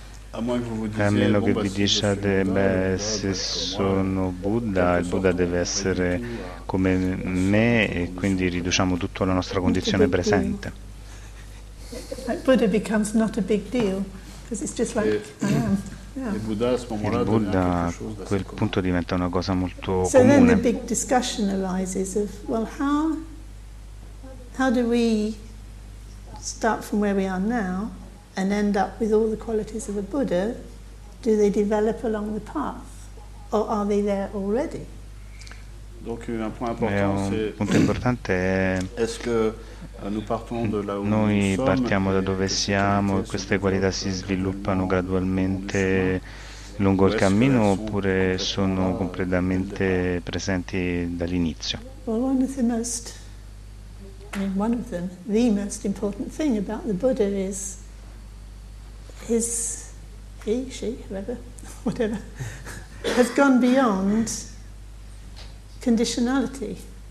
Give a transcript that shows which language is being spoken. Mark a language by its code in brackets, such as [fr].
[it] A meno che vi diciate, beh, se sono Buddha, il Buddha deve essere come me e quindi riduciamo tutto alla nostra condizione presente. [en] Buddha becomes not a big deal, because it's just like I am. [it] Il Buddha a quel punto diventa una cosa molto comune. [en] So then the big discussion arises of, well, how do we start from where we are now and end up with all the qualities of a Buddha, do they develop along the path? Or are they there already? [fr] Donc un point important, un c'est [it] punto importante è [fr] est-ce que nous partons de là où [it] noi [fr] nous sommes [it] partiamo da dove siamo e queste qualità si sviluppano gradualmente lungo il cammino oppure sono completamente presenti dall'inizio? [en] Well, one of the most, I mean, one of them, the most important thing about the Buddha is his, he, she, whoever, whatever, has gone beyond conditionality.